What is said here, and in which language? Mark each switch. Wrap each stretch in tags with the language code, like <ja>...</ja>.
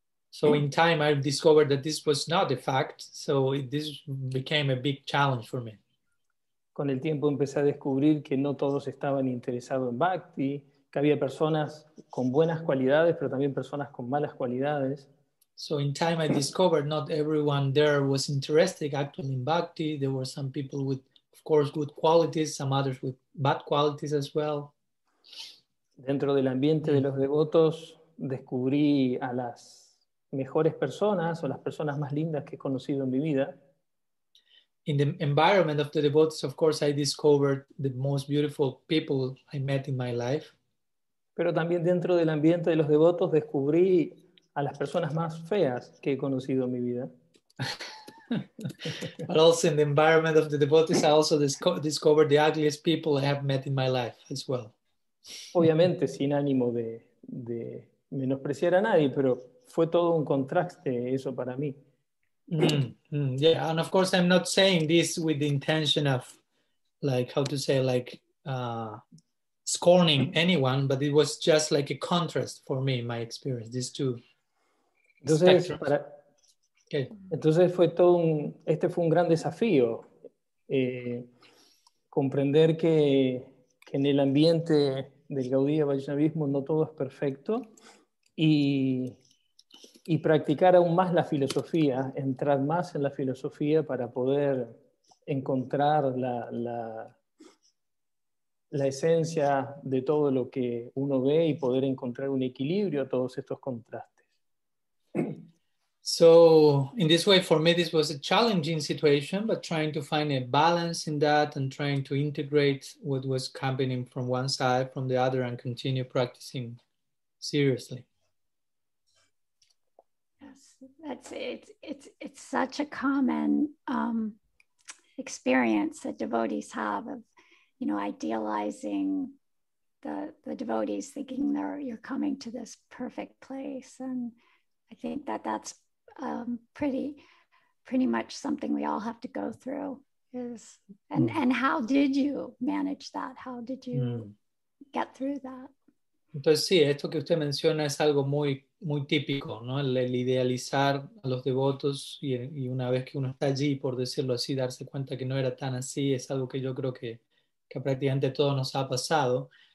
<en>So in time I discovered that this was not a fact, so this became a big challenge for me.</en> <es>Con el tiempo empecé a descubrir que no todos estaban interesados en bhakti, que había personas con buenas cualidades, pero también personas con malas cualidades.</es> <en>So in time I discovered not everyone there was interested actually in bhakti. There were some people with, of course, good qualities, some others with bad qualities as well.</en> <es>Dentro del ambiente de los devotos descubrí a las mejores personas o las personas más lindas que he conocido en mi vida.</es> <en>In the environment of the devotees, of course, I discovered the most beautiful people I met in my life.</en> <es>Pero también dentro del ambiente de los devotos descubrí a las personas más feas que he conocido en mi vida.</es> <en>But also in the environment of the devotees, I also discovered the ugliest people I have met in my life as well.</en> <es>Obviamente sin ánimo de menospreciar a nadie, pero fue todo un contraste eso para mí.</es> <en>Yeah, and of course I'm not saying this with the intention of, like, how to say, like, scorning anyone, but it was just like a contrast for me, my experience, these two.</en> <es>Entonces, entonces fue todo un, este fue un gran desafío, comprender que en el ambiente del Gaudiya Vaishnavismo no todo es perfecto, y practicar aún más la filosofía, entrar más en la filosofía para poder encontrar la esencia de todo lo que uno ve y poder encontrar un equilibrio a todos estos contrastes.</es> <en>So, in this way, for me, this was a challenging situation, but trying to find a balance in that and trying to integrate what was coming from one side, from the other, and continue practicing seriously. That's it's such a common experience that devotees have of, you know, idealizing the devotees, thinking they're, you're coming to this perfect place. And I think that's pretty much something we all have to go through is, and how did you manage that? How did you get through that?</en> <es>Entonces sí, esto que usted menciona es algo muy, muy típico, ¿no? El idealizar a los devotos y una vez que uno está allí, por decirlo así, darse cuenta que no era tan así, es algo que yo creo que prácticamente todo nos ha pasado.</es>